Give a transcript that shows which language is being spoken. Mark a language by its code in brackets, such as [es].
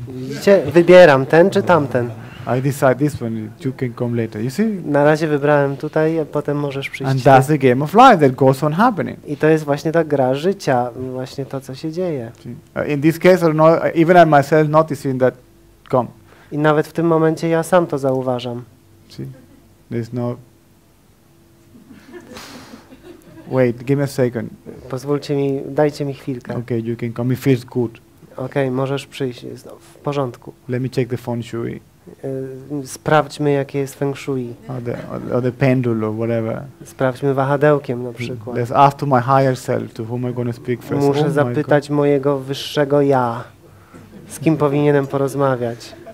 [pl] Widzicie, wybieram ten czy tamten. [en] I decide this one. You can come later. You see? [pl] Na razie wybrałem tutaj, a potem możesz przyjść. [en] And that's the game of life that goes on happening. [pl] I to jest właśnie ta gra życia, właśnie to, co się dzieje. [en] In this case, or not, even I myself noticing that, come. [pl] I nawet w tym momencie ja sam to zauważam. [en] See? There's no. Wait, give me a second. [pl] Pozwólcie mi, dajcie mi chwilkę. [en] Okay, you can come. It feels good. [pl] Okej, okay, możesz przyjść, jest w porządku. [en] Let me check the feng shui. [pl] Sprawdźmy, jakie jest feng shui. [en] Or the pendulum, or whatever. [pl] Sprawdźmy wahadełkiem na przykład. [en] Let's ask to my higher self, to whom I'm going to speak first. [pl] Muszę zapytać mojego wyższego ja, z kim powinienem porozmawiać.